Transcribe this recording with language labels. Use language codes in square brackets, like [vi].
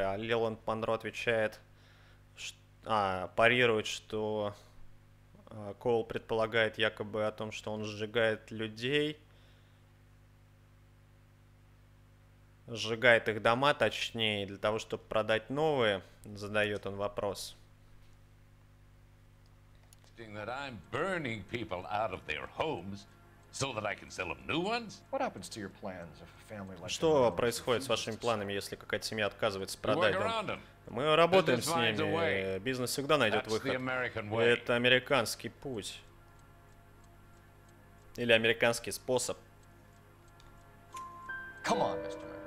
[ru] А Лейланд Монро отвечает, парирует, что Коул предполагает якобы о том, что он сжигает людей. сжигает их дома, точнее, для того, чтобы продать новые, задает он вопрос. [en] That I'm burning people out of their homes so that I can sell them new ones? What happens to your plans if a family like [ru] Что происходит с вашими планами, если какая-то семья отказывается продать дом? Мы работаем с ними. Бизнес всегда найдет выход. Это американский путь. Или американский способ. [en] Come on, Mr.